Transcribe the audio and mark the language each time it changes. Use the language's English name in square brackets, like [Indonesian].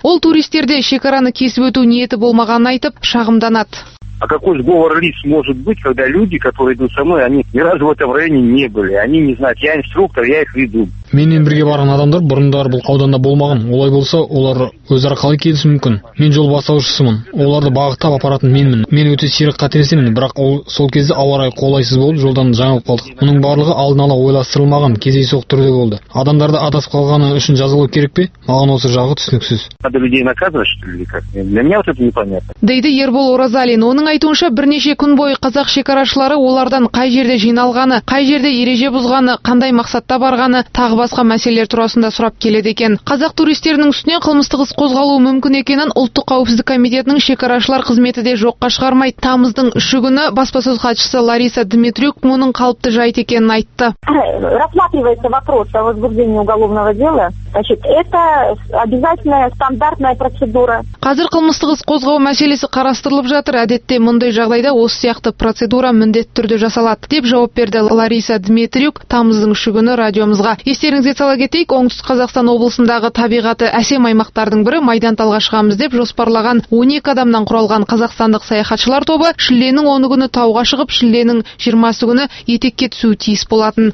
[Kazakh] Ол туристерде шекараны кесіп өту ниеті болмағанын айтып шағымданады. [Russian] А какой сговор лиц может быть, когда люди, которые идут со мной, они ни разу в этом районе не были. Они не знают, я инструктор, я их веду. [Kazakh] Менен бірге барған адамдар бұрындары бұл ауданда болмаған. Олай болса, олар өзара қалай келісу мүмкін. Мен жол бастаушысымын. Оларды бағыттап апаратын менмін. Мен өте сирек қателесемін, бірақ сол кезде ауа райы қолайсыз болып, жолдан жаңылып қалдық. Мұның барлығы алдын ала ойластырылмаған кездейсоқ түрде болды. Адамдарды адасып қалғаны үшін жазалау керек пе? Маған осы жағы түсініксіз. Дейді Ербол Оразалин. Оның айтуынша, бірнеше күн бойы қазақ шекарашылары олардан қай жерде жиналғаны, қай жерде ереже бұзғаны, қандай мақсатта барғаны басқа мәселелер турасында сұрап келеді екен. Қазақ туристерінің үстінен қылмыстық іс қозғалуы мүмкін екенін Ұлттық қауіпсіздік комитетінің шекарашылар қызметі де жоққа шығармайды. Тамыздың 3-ші күні баспасөз хатшысы Лариса Дмитрюк мұның қалыпты жайт екенін айтты. [Russian] Рассматривается вопрос о возбуждении уголовного дела. Значит, это обязательная стандартная процедура. [Kazakh] Қазір қылмыстық іс қозғау мәселесі қарастырылып жатыр. Әдетте мұндай жағдайда осы сияқты процедура міндетті түрде жасалады деп жауап берді Лариса Дмитрюк тамыздың 3-ші күні радиомызға. Естеріңізге сала кетейік, оңтүстік Қазақстан облысындағы табиғаты әсем аймақтардың бірі Майданталға шығамыз деп жоспарлаған 12 адамнан құралған қазақстандық саяхатшылар тобы шілденің 10 күні тауға шығып, шілденің 20 күні етекке түсуі тиіс болатын.